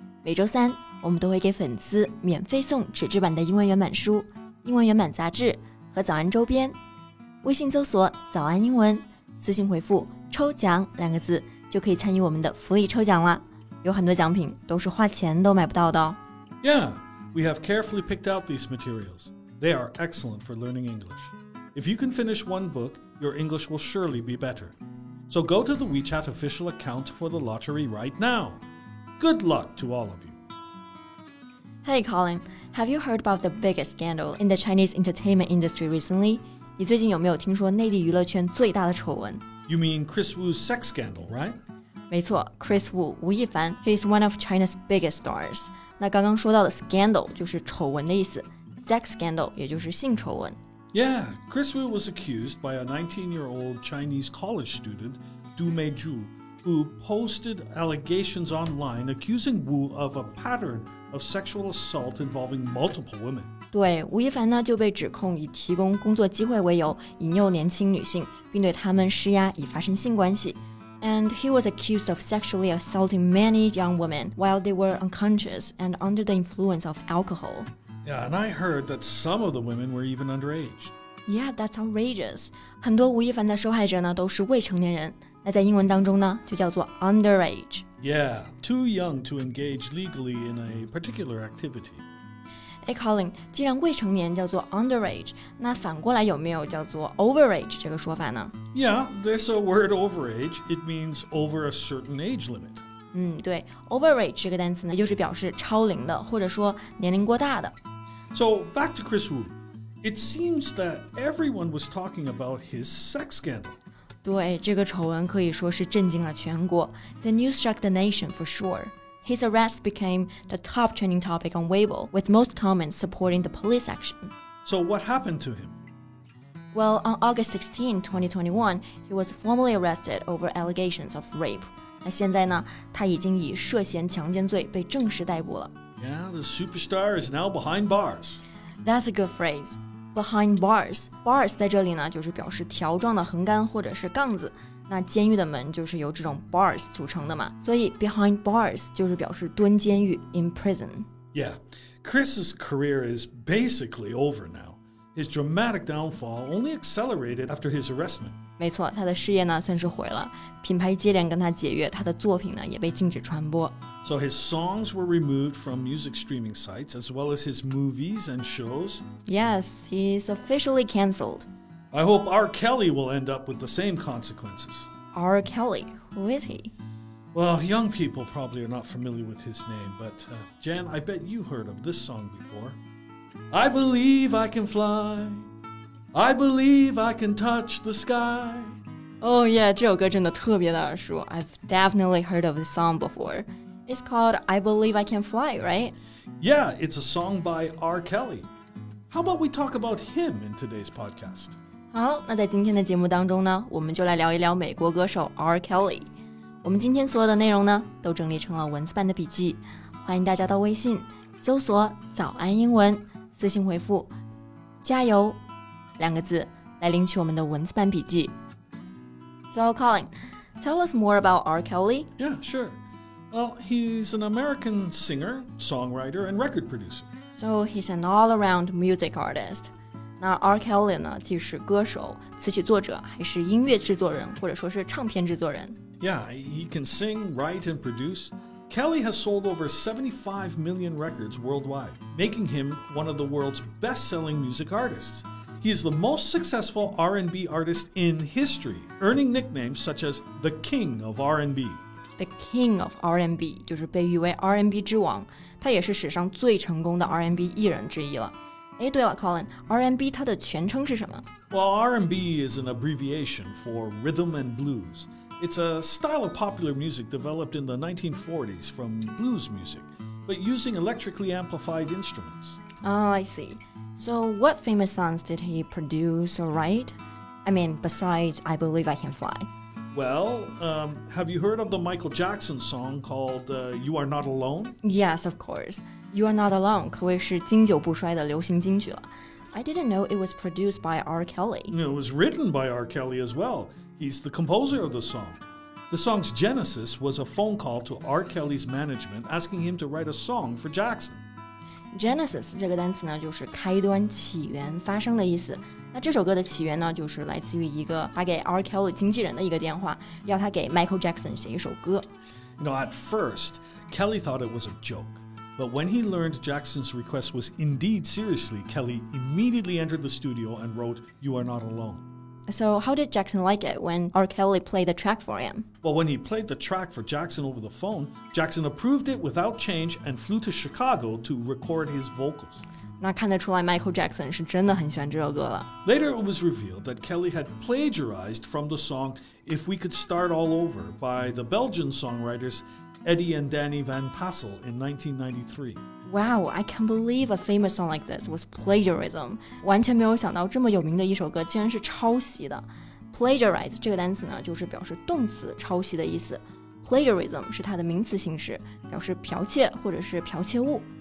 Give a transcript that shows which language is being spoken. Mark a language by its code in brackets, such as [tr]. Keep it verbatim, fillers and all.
[zh] 每周三，我们都会给粉丝免费送纸质版的英文原版书、英文原版杂志和早安周边。微信搜索“早安英文”，私信回复“抽奖”两个字，就可以参与我们的福利抽奖了。有很多奖品都是花钱都买不到的哦。 [en] Yeah, we have carefully picked out these materials. They are excellent for learning English. If you can finish one book, your English will surely be better. So go to the WeChat official account for the lottery right now. Good luck to all of you. Hey Colin, have you heard about the biggest scandal in the Chinese entertainment industry recently? [zh] 你最近有没有听说内地娱乐圈最大的丑闻？ [en] You mean Chris Wu's sex scandal, right? [zh] 没错 Chris Wu 吴亦凡 [en] He is one of China's biggest stars [zh] 那刚刚说到的 scandal 就是丑闻的意思 Sex scandal 也就是性丑闻 [en] Yeah, Chris Wu was accused by a nineteen-year-old Chinese college student Du Meizhu who posted allegations online accusing Wu of a pattern of sexual assault involving multiple women [zh] 对吴亦凡呢就被指控以提供工作机会为由引诱年轻女性并对她们施压以发生性关系 [en] And he was accused of sexually assaulting many young women while they were unconscious and under the influence of alcohol. Yeah, and I heard that some of the women were even underage. Yeah, that's outrageous. [zh] 很多吴亦凡的受害者呢都是未成年人。那在英文当中呢就叫做 underage. [en] Yeah, too young to engage legally in a particular activity. [zh] Hey Colin, 既然未成年叫做 underage, 那反过来有没有叫做 overage 这个说法呢？ [en] Yeah, there's a word overage. It means over a certain age limit. [zh] 嗯，对 overage 这个单词呢，就是表示超龄的，或者说年龄过大的。 [en] So back to Chris Wu. It seems that everyone was talking about his sex scandal. [zh] 对，这个丑闻可以说是震惊了全国。 [en] The news shocked the nation for sure. His arrest became the top trending topic on Weibo, with most comments supporting the police action. So what happened to him? Well, on August sixteenth, twenty twenty-one, he was formally arrested over allegations of rape. [zh] 那现在呢，他已经以涉嫌强奸罪被正式逮捕了。 [en] Yeah, the superstar is now behind bars. That's a good phrase. Behind bars. [zh] Bars 在这里呢，就是表示条状的横杆或者是杠子。那监狱的门就是由这种 bars 组成的嘛，所以 behind bars 就是表示蹲监狱 in prison. [en] Yeah, Chris's career is basically over now. His dramatic downfall only accelerated after his arrestment. [zh] 没错，他的事业呢算是毁了，品牌接连跟他解约，他的作品呢也被禁止传播。 [en] So his songs were removed from music streaming sites as well as his movies and shows. Yes, he is officially cancelled. I hope R. Kelly will end up with the same consequences. R. Kelly, who is he? Well, young people probably are not familiar with his name, but uh, Jan, I bet you heard of this song before. I believe I can fly. I believe I can touch the sky. [zh] Oh yeah, 这首歌真的特别的耳熟。 [en] I've definitely heard of this song before. It's called I Believe I Can Fly, right? Yeah, it's a song by R. Kelly. How about we talk about him in today's podcast? [zh] 好，那在今天的节目当中呢，我们就来聊一聊美国歌手 R. Kelly。我们今天所有的内容呢，都整理成了文字版的笔记，欢迎大家到微信搜索“早安英文”。私信回复加油两个字来领取我们的文字版笔记 [en] So Colin, tell us more about R. Kelly. Yeah, sure. Well, he's an American singer, songwriter, and record producer. So he's an all-around music artist. 那 R. Kelly 呢既是歌手词曲作者还是音乐制作人或者说是唱片制作人 Yeah, he can sing, write, and produce. Kelly has sold over seventy-five million records worldwide, making him one of the world's best-selling music artists. He is the most successful R and B artist in history, earning nicknames such as the King of R and B. [zh] The King of R and B 就是被誉为 R and B 之王，他也是史上最成功的 R and B 艺人之一了。哎，对了 Colin, R and B 它的全称是什么？ [en] Well, R and B is an abbreviation for rhythm and blues. It's a style of popular music developed in the nineteen forties from blues music, but using electrically amplified instruments. Oh, I see. So what famous songs did he produce or write? I mean, besides I Believe I Can Fly. Well, um, have you heard of the Michael Jackson song called uh, You Are Not Alone? Yes, of course. [zh] You Are Not Alone 可谓是经久不衰的流行金曲了。 [en] I didn't know it was produced by R. Kelly. It was written by R. Kelly as well. He's the composer of the song. The song's genesis was a phone call to R. Kelly's management asking him to write a song for Jackson. [zh] Genesis 这个单词呢就是开端起源发生的意思那这首歌的起源呢就是来自于一个打给 R. Kelly 经纪人的一个电话要他给 Michael Jackson 写一首歌 [en] You know, at first, Kelly thought it was a joke. But when he learned Jackson's request was indeed seriously, Kelly immediately entered the studio and wrote, You Are Not Alone. So how did Jackson like it when R. Kelly played the track for him? Well, when he played the track for Jackson over the phone, Jackson approved it without change and flew to Chicago to record his vocals. [zh] 那看得出来 Michael Jackson 是真的很喜欢这首歌了。 [en] Later it was revealed that Kelly had plagiarized from the song If We Could Start All Over by the Belgian songwriters Eddie and Danny Van Passel in nineteen ninety-three. Wow, I can't believe a famous song like this was plagiarism. [zh] 完全没有想到这么有名的一首歌竟然是抄袭的。 Plagiarize 这个单词呢，就是表示动词抄袭的意思。 Plagiarism 是它的名词形式，表示剽窃或者是剽窃物。